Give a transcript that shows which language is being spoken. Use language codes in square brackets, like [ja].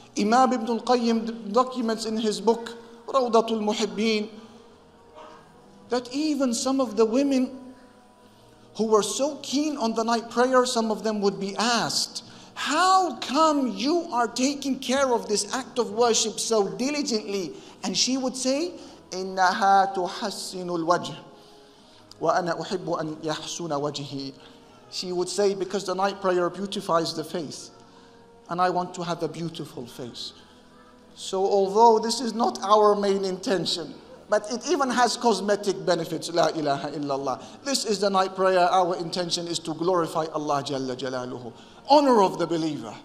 [en] Imam ibn al-Qayyim documents in his book, Rawdatul Muhibbin, that even some of the women who were so keen on the night prayer, some of them would be asked, how come you are taking care of this act of worship so diligently? And she would say, [ar] إِنَّهَا تُحَسِّنُ الْوَجْهِ وَأَنَا أُحِبُّ أَنْ يَحْسُنَ وَجْهِ. [en] She would say, because the night prayer beautifies the face, and I want to have a beautiful face. So although this is not our main intention, but it even has cosmetic benefits, La ilaha illallah. This is the night prayer. Our intention is to glorify Allah Jalla Jalaluhu. Honor of the believer.